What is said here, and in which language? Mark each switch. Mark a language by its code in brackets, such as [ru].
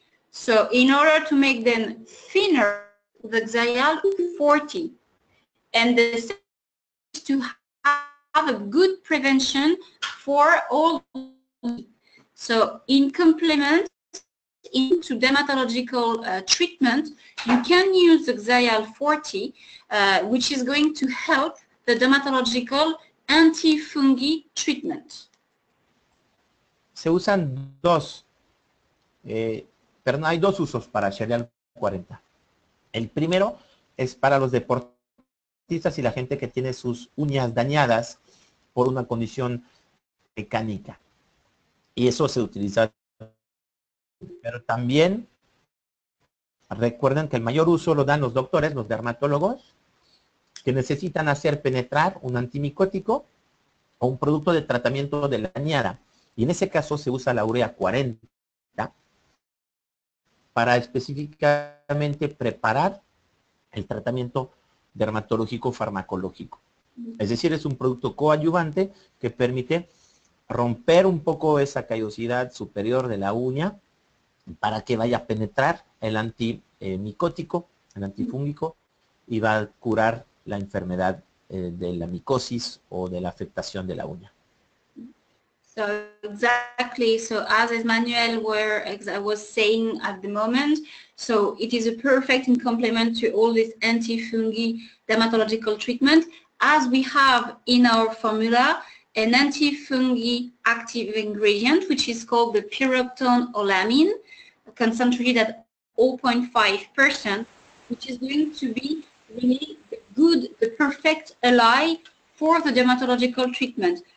[en] So in order to make them thinner, the Xerial 40, and the second is to have a good prevention for all. So in complement into dermatological treatment, you can use the Xerial 40, which is going to help the dermatological anti-fungi treatment. [es] Se usan dos, perdón, hay dos usos para Xerial 40. El primero es para los deportistas dentistas y la gente que tiene sus uñas dañadas por una condición mecánica. Y eso se utiliza. Pero también recuerden que el mayor uso lo dan los doctores, los dermatólogos, que necesitan hacer penetrar un antimicótico o un producto de tratamiento de la dañada. Y en ese caso se usa la urea 40 para específicamente preparar el tratamiento dermatológico farmacológico. Es decir, es un producto coadyuvante que permite romper un poco esa callosidad superior de la uña para que vaya a penetrar el antimicótico, el antifúngico, y va a curar la enfermedad de la micosis o de la afectación de la uña. [en] So exactly, so as Emmanuel was saying at the moment, so it is a perfect in complement to all this antifungi dermatological treatment, as we have in our formula an antifungi active ingredient which is called the pyroptone olamine, concentrated at 0.5%, which is going to be really good, the perfect ally for the dermatological treatment.